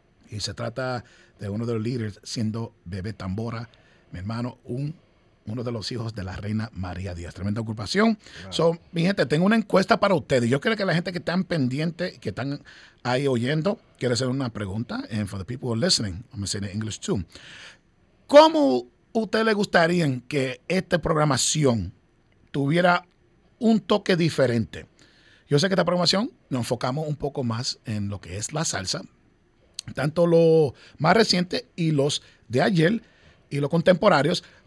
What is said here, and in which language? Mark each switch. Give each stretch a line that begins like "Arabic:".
Spanish: Y se trata de uno de los líderes, siendo Bebé Tambora, mi hermano, uno de los hijos de la reina María Díaz. Tremenda agrupación. Wow. So, mi gente, tengo una encuesta para ustedes. Yo creo que la gente que están pendiente, que están ahí oyendo, quiere hacer una pregunta.
English: And for the people who are listening, I'm going to say it in English too.
Spanish: ¿Cómo ustedes les gustaría que esta programación tuviera un toque diferente? Yo sé que esta programación nos enfocamos un poco más en lo que es la salsa, tanto lo más reciente y los de ayer y los contemporáneos.